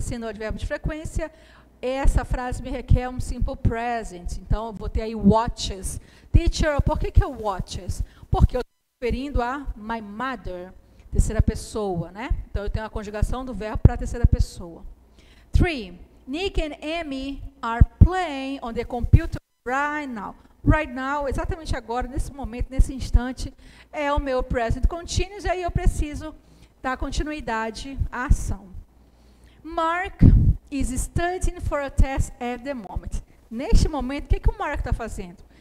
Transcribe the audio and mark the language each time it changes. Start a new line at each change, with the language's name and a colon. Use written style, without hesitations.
Portuguese: Sendo um advérbio de frequência, essa frase me requer um simple present. Então, eu vou ter aí watches. Teacher, por que que é watches? Porque eu estou referindo a my mother, terceira pessoa, né? Então, eu tenho a conjugação do verbo para a terceira pessoa. 3.
English: Nick and Amy are playing on the computer right now.
Portuguese: Right now, exatamente agora, nesse momento, nesse instante, é o meu present continuous, e aí eu preciso dar continuidade à ação.
English: Mark is studying for a test at the moment.
Portuguese: Neste momento, o que que o Mark está fazendo?